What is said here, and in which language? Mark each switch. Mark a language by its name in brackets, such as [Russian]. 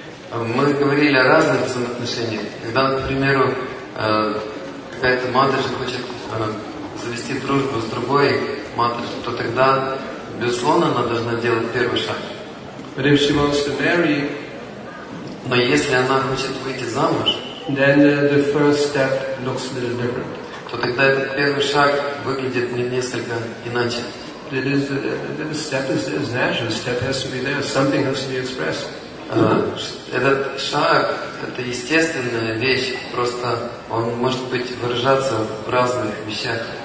[Russian] Мы говорили о разных взаимоотношениях. Когда, например, какая-то матриша хочет завести дружбу с другой матришей, то тогда, безусловно, она должна делать первый шаг. [English] But if she wants to marry, [Russian] но если она хочет выйти замуж, [English] then the first step looks a little different. [Russian] То тогда этот первый шаг выглядит несколько иначе. [English] The step is natural. Step has to be there. Something has to be expressed. [Russian] Этот шаг – это естественная вещь, просто он может быть выражаться в разных вещах.